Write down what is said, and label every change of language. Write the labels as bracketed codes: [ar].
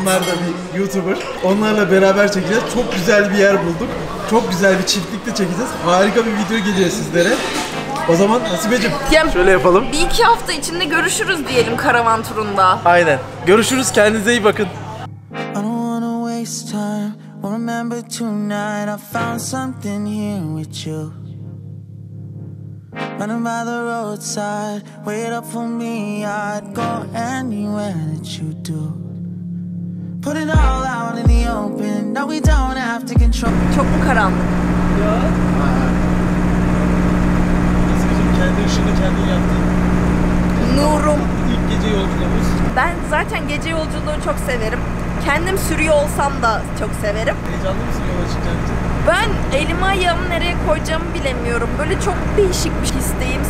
[tr] Onlar da bir YouTuber. Onlarla beraber çekeceğiz. Çok güzel bir yer bulduk. Çok güzel bir çiftlikte çekeceğiz. Harika bir video geleceğiz sizlere. O zaman Nasibeciğim, yani şöyle yapalım. Bir iki hafta içinde görüşürüz diyelim karavan turunda. Aynen. Görüşürüz. Kendinize iyi bakın. [en] I don't wanna waste time. I remember tonight I found something here with you. Running by the roadside, wait up for me, I'd go anywhere that you do. Put it all out in the open, now we don't have to control. [tr] Çok mu karanlık? Yok. Nasıl bizim kendi ışığını kendin yaptın? Nurum. İlk gece yolculuğumuz. Ben zaten gece yolculuğu çok severim. Kendim sürüyor olsam da çok severim. Heyecanlı mısın yola çıkacaksın? Ben elimi ayağımı nereye koyacağımı bilemiyorum. Böyle çok değişik bir hisdeyim.